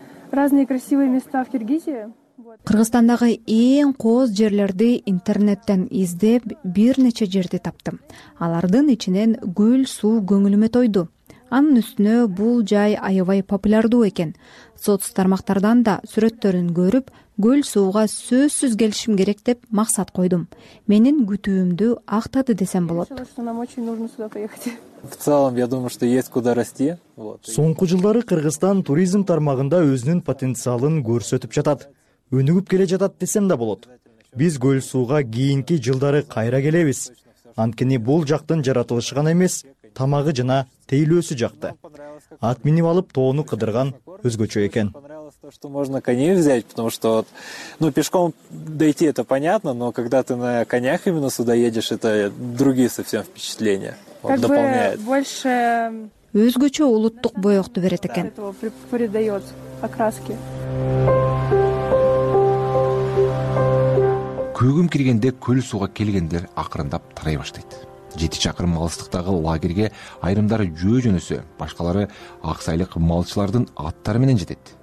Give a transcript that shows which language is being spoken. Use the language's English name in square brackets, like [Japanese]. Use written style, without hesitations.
[Russian] Разные красивые места в Киргизии. [Kyrgyz] Кыргызстандагы эң кооз жерлерди интернеттен издеп бир нече жерди таптым. Алардын ичинен Көл суу көңүлүмө тойду. Анын үстүнө бул жай аябай популярдуу экен. Соц тармактардан да сүрөттөрүн көрүп, Көл сууга сөзсүз келишим керек деп максат койдум. Менин күтүүмдү актады десем болот. [Russian] В целом, я думаю, что есть куда расти. [Kyrgyz] Соңку жылдары Кыргызстан туризм тармагында өзүнүн потенциалын көрсөтүп жатат. Өнүгүп келе жатат десем да болот. Биз Көл сууга кийинки жылдары кайра келебиз. Анткени бул жактын жаратылышы гана эмес, тамагы жана тейлөөсү жакты. Ат минип алып тоону кыдырган өзгөчө экен. [Russian] То, что можно коней взять, потому что вот, ну, пешком дойти это понятно, но когда ты на конях именно сюда едешь, это другие совсем впечатления. Он как дополняет. Бы больше [Kyrgyz] өзгөчө улуттук боёкту берет экен. [Russian] Придаёт окраски. [Kyrgyz] Көгүм киргенде көл сууга келгендер акырындап тарай баштайт. 7 чакырым алыстыктагы лагерге айрымдары жөө жөнөсө, башкалары ак сайлык малчылардын аттары менен жетет.